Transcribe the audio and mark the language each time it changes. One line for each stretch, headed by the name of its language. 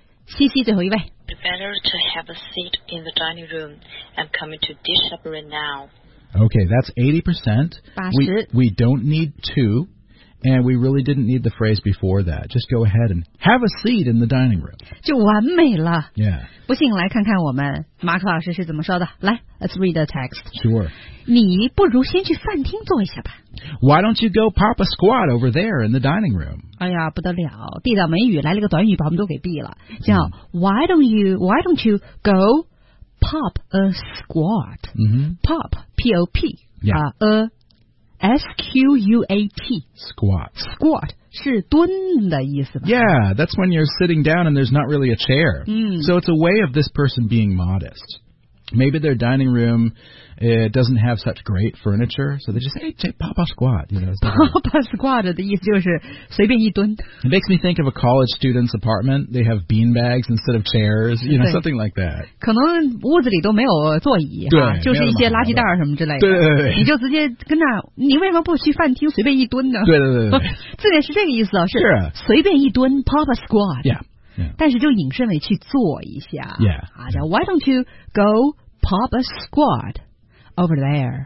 Chinese: CC, 最后一位
English: Better to have a seat in the dining room. I'm coming to dish up right now. Okay, that's 80%. 80. We don't need to, and we really didn't need the phrase before that. Just go ahead and have a seat in the dining room.
Chinese: 就完美了。
English: Yeah.
Chinese: 不信来看看我们马克老师是怎么说的。
English: 来 let's read the text. Sure.
Chinese: 你不如先去饭厅坐一下吧。
English: Why don't you go pop a squat over there in the dining room?
Chinese: 哎呀，不得了，地道美语来了个短语，把我们都给毙了。
English: 叫、mm. Why don't you go pop a squat?、 Mm-hmm. Pop, P-O-P, yeah. S-Q-U-A-T. Squat.
Chinese: Squat. 是蹲的意思吧
English: Yeah, that's when you're sitting down and there's not really a chair.、 Mm. So it's a way of this person being modest. Maybe their dining room, doesn't have such great furniture, so they just say, hey, pop a squat. You know, pop a squat
Chinese: 的意思就是随便一蹲。
English: It makes me think of a college student's apartment. They have bean bags instead of chairs, you know, something like that.
Chinese: 可能屋子里都没有座椅，对，就是一些垃圾袋什么之类的。对，你就直接跟那，你为什么不去饭厅随便一蹲呢？对，字面是这个意思，是随便一蹲 ，
English: pop a squat. Yeah. Yeah.
Chinese: 但是就引申为去做一下
English: yeah, yeah. Why don't you go pop a squat over there、